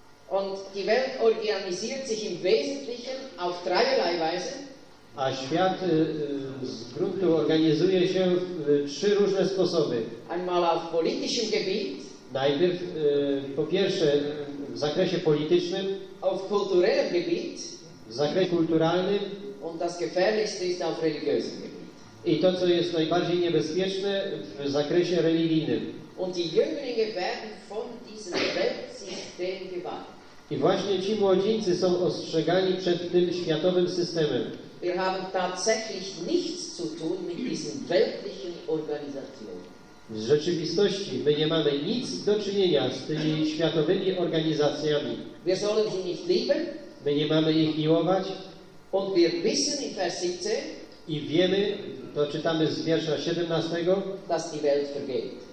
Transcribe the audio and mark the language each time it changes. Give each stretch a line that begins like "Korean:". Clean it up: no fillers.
German: Und die Welt organisiert sich im Wesentlichen auf dreierlei Weise.
Polish: A świat z gruntu organizuje się w trzy różne sposoby.
German: Einmal auf politischem Gebiet.
Polish: Najpierw, po pierwsze, w zakresie politycznym,
German: auf kulturellem Gebiet,
Polish: w zakresie kulturalnym,
German: und das gefährlichste ist auf religiösem Gebiet.
Polish: I to, co jest najbardziej niebezpieczne, w zakresie religijnym.
German: Und die Jünglinge werden von diesem Weltsystem gewarnt.
Polish: I właśnie ci młodzieńcy są ostrzegani przed tym światowym systemem.
German: Wir haben tatsächlich nichts zu tun mit diesen weltlichen Organisationen.
Polish: W rzeczywistości my nie mamy nic do czynienia z tymi światowymi organizacjami.
German: Wir sollen sie nicht lieben.
Polish: My nie mamy ich miłować.
German: Und wir wissen in Vers 17,
Polish: i wiemy, to czytamy z wiersza 17,
German: dass die Welt vergeht.